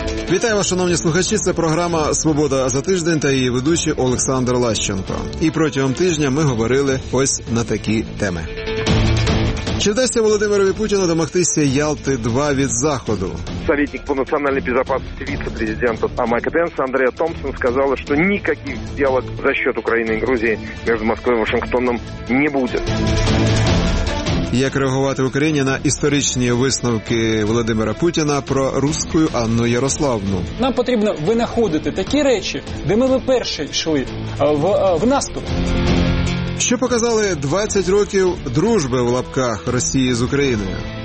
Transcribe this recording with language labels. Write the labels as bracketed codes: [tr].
[uk] Вітаю вас, шановні слухачі. Це програма «Свобода за тиждень» та її ведучий Олександр Лащенко. І протягом тижня ми говорили ось на такі теми. Чи вдасться Володимирові Путіну домогтися Ялти-2 від Заходу? [ru] Советник по национальной безопасности вице-президента Майка Пенса Андрея Томпсон сказал, что никаких сделок за счет Украины и Грузии между Москвой и Вашингтоном не будет. [uk] Як реагувати в Україні на історичні висновки Володимира Путіна про руську Анну Ярославну? Нам потрібно винаходити такі речі, де ми вперше йшли в наступ. Що показали 20 років дружби в лапках Росії з Україною?